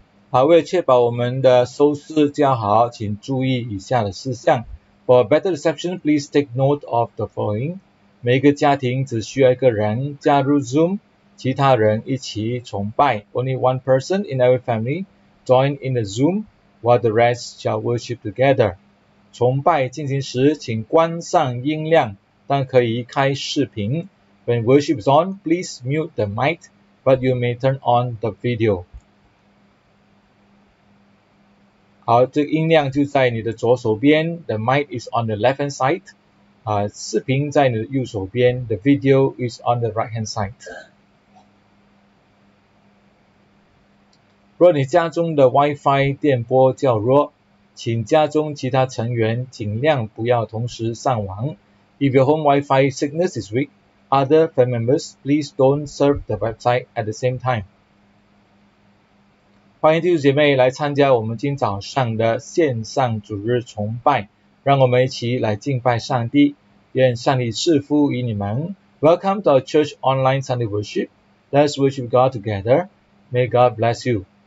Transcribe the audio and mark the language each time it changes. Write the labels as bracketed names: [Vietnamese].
[Chinese] 好，为了确保我们的收视较好，请注意以下的事项。 [English] For a better reception, please take note of the following. [Chinese] 每个家庭只需要一个人加入 Zoom, 其他人一起崇拜。 [English] Only one person in every family join in the Zoom, while the rest shall worship together. [Chinese] 崇拜进行时请关上音量，但可以开视频。 [English] When worship is on, please mute the mic, but you may turn on the video. [Chinese] 好，这个音量就在你的左手边 [English] ，the mic is on the left hand side， [Chinese] 啊，视频在你的右手边 [English] ，the video is on the right hand side。 [Chinese] 若你家中的 WiFi 电波较弱，请家中其他成员尽量不要同时上网。 [English] If your home WiFi signal is weak, other family members please don't surf the website at the same time. [Chinese] 欢迎弟兄姐妹来参加我们今早上的线上主日崇拜，让我们一起来敬拜上帝，愿上帝赐福于你们。 [English] Welcome to our church online Sunday worship. Let's worship God together. May God bless you.